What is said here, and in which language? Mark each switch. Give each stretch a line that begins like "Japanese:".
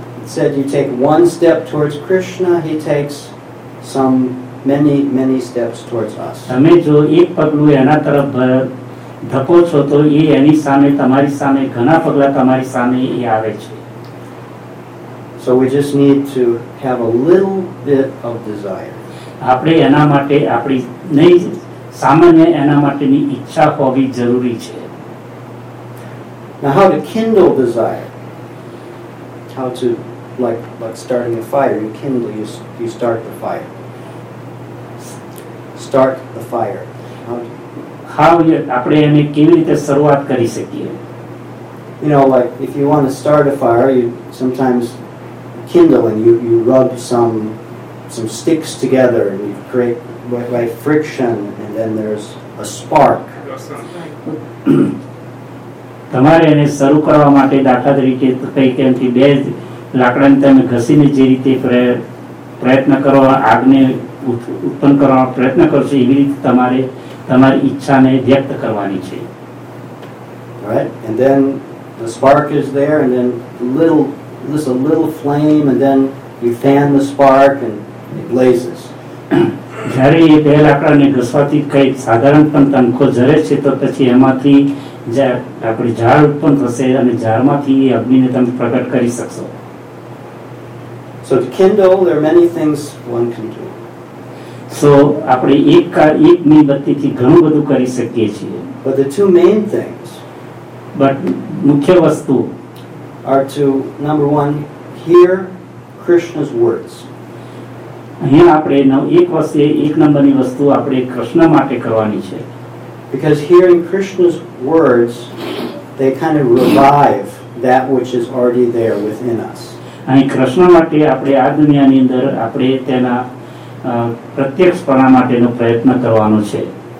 English: Said you take one step towards Krishna, he takes some many many steps towards us.
Gujarati: તમે જો એક પગલું એના તરફ ધપો છો તો એની સામે તમારી સામે ઘણા પગલા તમારી સામે એ આવે છે.
English: So we just need to have a little bit of desire.
Gujarati: આપણે એના માટે આપણી નહીં સામાન્ય એના માટેની ઈચ્છા હોવી જરૂરી છે.
English: Now how to kindle desire? How to like starting a fire, you kindle, you start the fire. Start the fire.
Gujarati: How આપણે એને કેવી રીતે શરૂઆત કરી શકીએ?
English: You know, like if you want to start a fire, you sometimes kindling, you rub some sticks together and you create by friction and then there's a spark.
Gujarati: તમારે એને શરૂ કરવા માટે દાખલા તરીકે કઈ કેમથી બે લાકડા ને તમે ઘસીને જે રીતે પ્રયત્ન કરો આગને ઉત્પન્ન કરવાનો પ્રયત્ન કરશો એવી રીતે તમારે તમારી ઈચ્છાને વ્યક્ત કરવાની છે.
English: Right, and then the spark is there and then there's a little flame and then you fan the spark and it blazes.
Gujarati: જ્યારે એ બે લાકડાને ઘસવાથી કઈ સાધારણ પણ તંખો જરે છે તો પછી એમાંથી આપણી ઝાડ ઉત્પન્ન થશે અને ઝાડમાંથી એ અગ્નિને તમે પ્રગટ કરી શકશો.
English: So to kindle, there are many things one can do.
Gujarati: So આપણે એક મીણબત્તીથી ઘણું બધું કરી શકીએ છીએ.
English: But the two main things.
Gujarati: But મુખ્ય વસ્તુ
English: are to, number one, hear Krishna's words.
Gujarati: અહીં આપણે એક વસ્તુ એક નંબરની વસ્તુ આપણે કૃષ્ણ માટે કરવાની છે.
English: Because hearing Krishna's words, they kind of revive that which is already there within us.
Gujarati: અહીં કૃષ્ણ માટે આપણે આ દુનિયાની અંદર આપણે તેના પ્રત્યક્ષપણા માટેનો પ્રયત્ન કરવાનો છે.